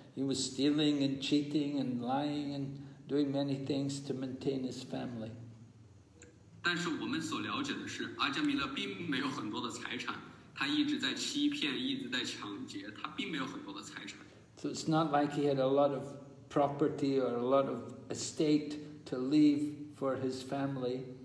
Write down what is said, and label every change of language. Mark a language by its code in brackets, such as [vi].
[en] He was stealing and cheating and lying and doing many things to maintain his family. [zh] 但是我们所了解的是，阿加米勒并没有很多的财产，他一直在欺骗，一直在抢劫，他并没有很多的财产。 [en] So it's not like he had a lot of property or a lot of estate to leave for his family.